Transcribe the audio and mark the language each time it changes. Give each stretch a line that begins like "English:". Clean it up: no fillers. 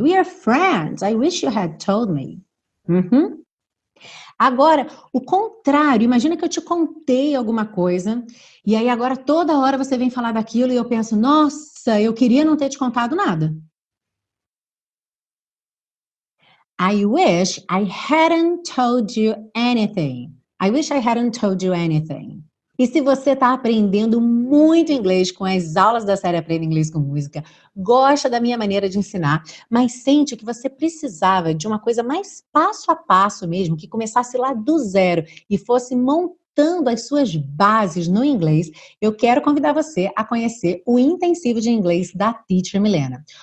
English: We are friends. I wish you had told me. Uhum.
Portuguese: Agora, o contrário. Imagina que eu te contei alguma coisa e aí agora toda hora você vem falar daquilo e eu penso, nossa, eu queria não ter te contado nada.
English: I wish I hadn't told you anything. I wish I hadn't told you anything.
Portuguese: E se você está aprendendo muito inglês com as aulas da série Aprenda Inglês com Música, gosta da minha maneira de ensinar, mas sente que você precisava de uma coisa mais passo a passo mesmo, que começasse lá do zero e fosse montando juntando as suas bases no inglês, eu quero convidar você a conhecer o Intensivo de Inglês da Teacher Milena.